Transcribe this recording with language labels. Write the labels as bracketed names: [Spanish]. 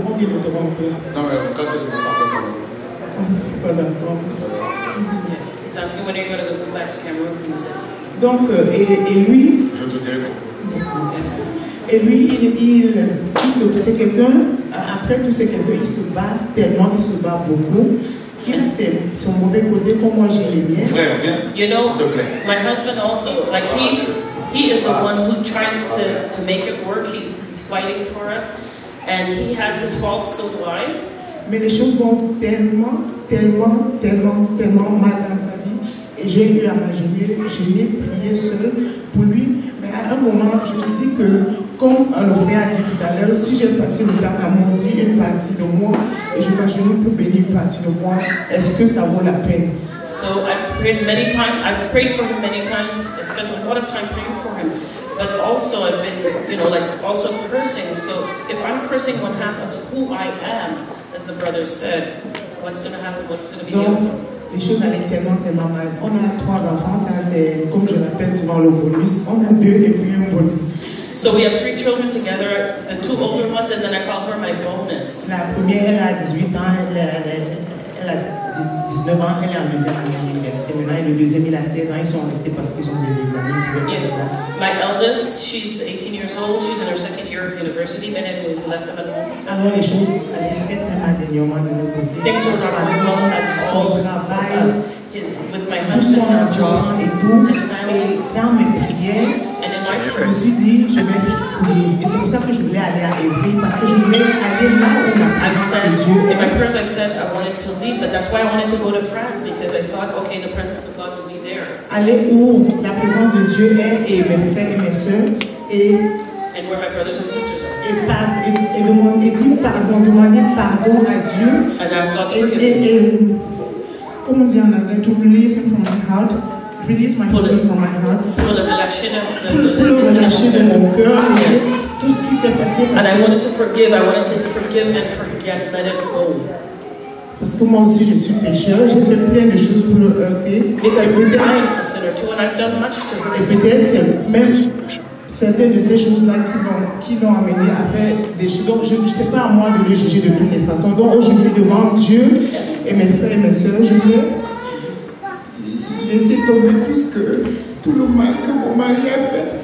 [French] Non, mais quand est-ce que vous partez au Cameroun? On ne sait pas encore. [English] He's asking when you're going to go back to Cameroon, you said. [French] Donc, et lui? Je te dirai pourquoi. Et lui, il se, c'est quelqu'un, après tout, c'est quelqu'un, il se bat tellement, il se bat beaucoup. Son mauvais côté, pour moi, j'ai les miens. Frère, viens. [English] You know, [French] s'il te plaît. [English] My husband also, like he is the one who tries to make it work. He's fighting for us, and he has his faults. So why? [French] Mais les choses vont tellement, tellement, tellement, tellement mal dans sa vie. Et j'ai eu à m'agenouiller, j'ai mis prier seul pour lui. Mais à un moment, je me dis que, comme le frère a dit tout à l'heure, si j'ai passé le temps à maudire une partie de moi, et je m'agenouille pour bénir une partie de moi, est-ce que ça vaut la peine? [English] So I've prayed for him many times. I spent a lot of time praying for him, but also I've been, you know, like also cursing. So if I'm cursing one half of who I am, as the brother said, what's going to happen? What's going to be happening? [French] Les choses allaient tellement, tellement mal. On a trois enfants, ça c'est comme je l'appelle souvent le bonus. On a deux et puis un bonus. [English] So we have three children together, the two older ones, and then I call her my bonus. [French] La première, elle a 18 ans, elle a 19 ans, elle est en deuxième année à l'université. Maintenant, et le deuxième, il a 16 ans, ils sont restés parce qu'ils ont des examens. [English] Yeah. My eldest, she's 18 years old, she's in her second year of university, but then we left them at home. [French] Alors les choses allaient très, très mal dernièrement de notre côté. [English] Things were not well at all. [French] Son travail, [English] with my husband, his job, [French] et tout, [English] his family. [French] Et dans mes prières, [English] and in my prayer, [French] je me suis dit, je vais prier. Et c'est pour ça que je voulais aller à Évry, parce que je voulais aller là où la présence de Dieu. [English] In my prayers, I said I wanted to leave, but that's why I wanted to go to France, because I thought, okay, the presence of God would be there. [French] Aller où la présence de Dieu est, et mes frères et mes soeurs, et [English] and where my brothers and sisters are. [French] Et dire pardon, demander pardon à Dieu. [English] And ask God's forgiveness. [French] Comment dire en anglais? [English] To release him from my heart. Release my heart from my heart. [French] Pour le relâcher de mon cœur. Tout ce qui s'est passé. [English] And I wanted to forgive. I wanted to forgive and forget. Let it go. [French] Parce que moi aussi je suis pécheur, j'ai fait plein de choses pour le heurter. [English] Because I'm a sinner too, and I've done much to hurt. [French] Et peut-être c'est même certaines de ces choses-là qui m'ont amené à faire des choses. Donc, je ne sais pas à moi de le juger de toutes les façons. Donc, aujourd'hui, devant Dieu et mes frères et mes sœurs, je veux laisser tomber tout le mal que mon mari a fait.